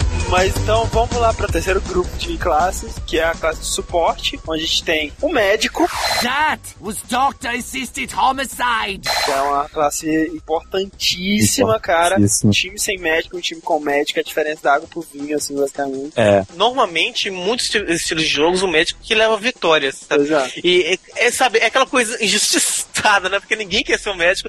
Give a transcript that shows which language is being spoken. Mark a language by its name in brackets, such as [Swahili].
[Portuguese] Mas então vamos lá para o terceiro grupo de classes, que é a classe de suporte, onde a gente tem o médico. [English] That was Doctor Assisted Homicide. [Portuguese] Que é uma classe importantíssima, cara. Um time sem médico, um time com médico, a diferença da água pro vinho, assim, basicamente. É. Normalmente, em muitos estilos de jogos, o médico que leva vitórias, sabe? Exato. É aquela coisa injustiçada, né? Porque ninguém quer ser um médico.